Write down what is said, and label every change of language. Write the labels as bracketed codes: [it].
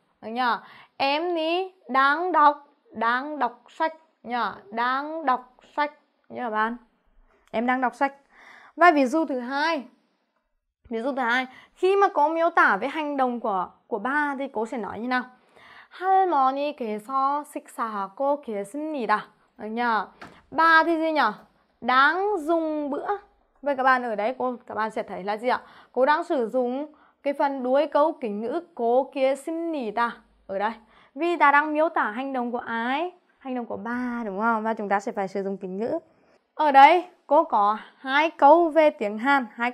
[vi] Đấy nhờ. Em ý đang đọc sách. Nhờ. Đang đọc sách. Nhờ bạn. Em đang đọc sách. Và ví dụ thứ hai. Ví dụ thứ hai, khi mà cô miêu tả về hành động của ba thì cô sẽ nói như nào? [ko] 할머니께서 식사하고 계십니다. [vi] Được nhờ? Ba thì gì nhỉ? Đang dùng bữa. Vậy các bạn ở đấy các bạn sẽ thấy là gì ạ? Cô đang sử dụng cái phần đuôi câu kính ngữ cô계십니다 ở đây. Vì ta đang miêu tả hành động của ai? Hành động của ba đúng không? Và chúng ta sẽ phải sử dụng kính ngữ. Ở đây cô có hai câu tiếng Hàn.